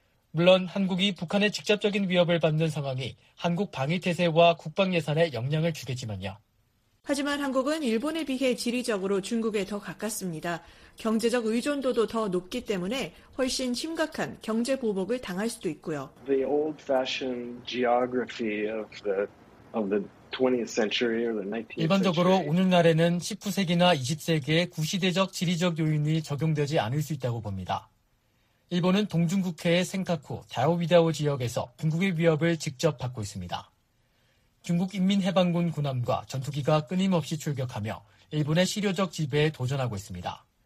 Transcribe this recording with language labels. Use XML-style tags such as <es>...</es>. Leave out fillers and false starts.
<ko>물론 한국이 북한의 직접적인 위협을 받는 상황이 한국 방위태세와 국방예산에 영향을 주겠지만요. 하지만 한국은 일본에 비해 지리적으로 중국에 더 가깝습니다. 경제적 의존도도 더 높기 때문에 훨씬 심각한 경제 보복을 당할 수도 있고요.</ko> <en>The old-fashioned geography of the 20th century or the 19th century.</en> <ko>일반적으로 오늘날에는 19세기나 20세기의 구시대적 지리적 요인이 적용되지 않을 수 있다고 봅니다. 일본은 동중국해의 생카쿠, 다오비다오 지역에서 중국의 위협을 직접 받고 있습니다. 중국 인민해방군 군함과 전투기가 끊임없이 출격하며 일본의 실효적 지배에 도전하고 있습니다.</ko>